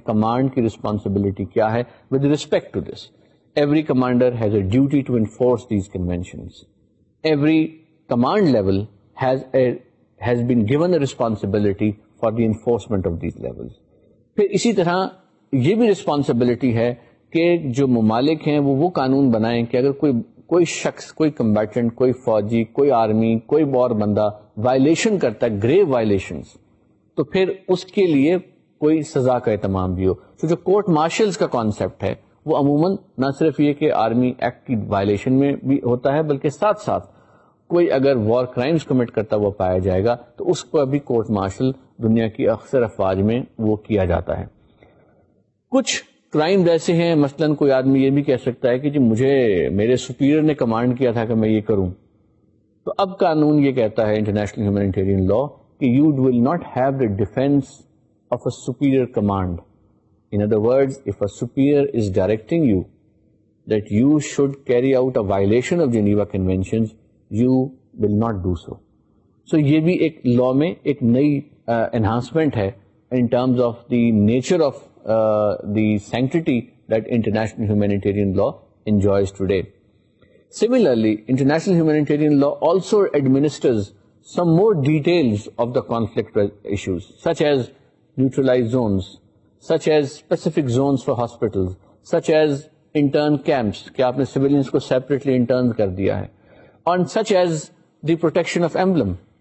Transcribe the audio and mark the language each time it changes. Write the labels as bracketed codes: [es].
[en] Command ki responsibility [ur] kya hai [en] with respect to this? Every commander has a duty to enforce these conventions. Every command level has been given a responsibility for the enforcement of these levels. [ur] پھر اسی طرح یہ بھی responsibility ہے کہ جو ممالک ہیں وہ قانون بنائیں کہ اگر کوئی شخص, کوئی کمبیٹنٹ, کوئی فوجی, کوئی آرمی, کوئی بور بندہ وائلیشن کرتا ہے, گریو وائلیشنز, تو پھر اس کے لیے کوئی سزا کا اہتمام بھی ہو. تو جو کورٹ مارشلز کا کانسیپٹ ہے وہ عموماً نہ صرف یہ کہ آرمی ایکٹ کی وائلیشن میں بھی ہوتا ہے, بلکہ ساتھ ساتھ کوئی اگر وار کرائمز کمٹ کرتا ہوا پایا جائے گا تو اس کو بھی کورٹ مارشل دنیا کی اکثر افواج میں وہ کیا جاتا ہے. کچھ کرائم ایسے ہیں, مثلاً کوئی آدمی یہ بھی کہہ سکتا ہے کہ جی مجھے میرے سپیریئر نے کمانڈ کیا تھا کہ میں یہ کروں, تو اب قانون یہ کہتا ہے, انٹرنیشنل ہیومینیٹیرین لا, کہ [en] You will not have the defence of a superior command. In other words, if a superior is directing you that you should carry out a violation of Geneva Conventions, you will not do so. So, [ur] یہ بھی ایک لا میں ایک نئی enhancement ہے [en] In terms of the nature of the sanctity that international humanitarian law enjoys today. Similarly international humanitarian law also administers some more details of the conflict issues such as neutralize zones such as specific zones for hospitals such as intern camps [ur] کہ آپ نے civilians کو separately intern کر دیا ہے [en] on such as the protection of emblem